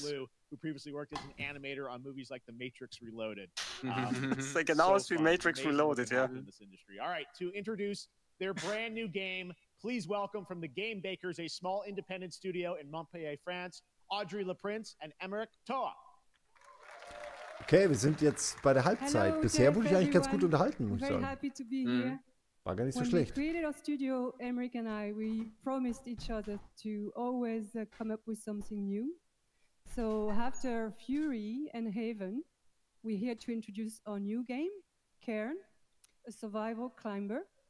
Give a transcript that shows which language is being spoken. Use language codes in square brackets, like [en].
[en] Blue, who previously worked as an animator on movies like The Matrix Reloaded. [de] Like genau so wie Matrix Reloaded, ja. [en] All right, to introduce their brand new game, please welcome from the Game Bakers, a small independent studio in Montpellier, France, Audrey LePrince and Emmerich Toa. [de] Okay, wir sind jetzt bei der Halbzeit. Hello, bisher wurde ich eigentlich ganz gut unterhalten, muss ich sagen. War gar nicht so schlecht. [en] When we created our studio, Emmerich and I, we promised each other to always come up with something new. So after Fury and Haven, we're here to introduce our new game, Cairn, a survival climber.